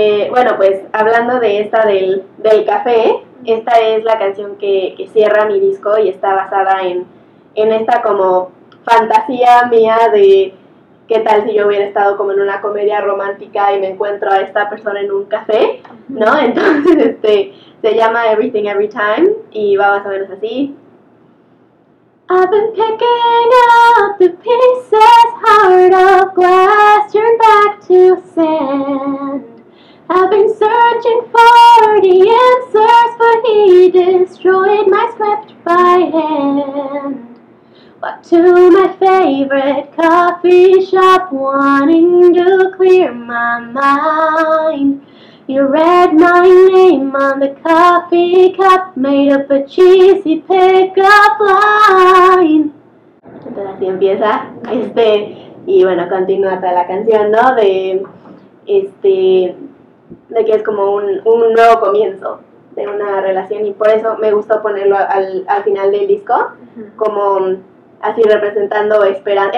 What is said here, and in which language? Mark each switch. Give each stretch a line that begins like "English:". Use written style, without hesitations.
Spanish: Bueno, pues hablando de esta del café, esta es la canción que cierra mi disco y está basada en esta como fantasía mía de qué tal si yo hubiera estado como en una comedia romántica y me encuentro a esta persona en un café, ¿no? Entonces, se llama Everything Every Time y va más o menos así.
English: I've been picking up the pieces, heart of glass turned back to sand. I've been searching for the answers, but he destroyed my script by hand. Walked to my favorite coffee shop, wanting to clear my mind. You read my name on the coffee cup, made up a cheesy pickup line.
Spanish: Entonces así empieza, y bueno, continúa hasta la canción, ¿no? De que es como un nuevo comienzo de una relación, y por eso me gustó ponerlo al final del disco, como así representando esperanza.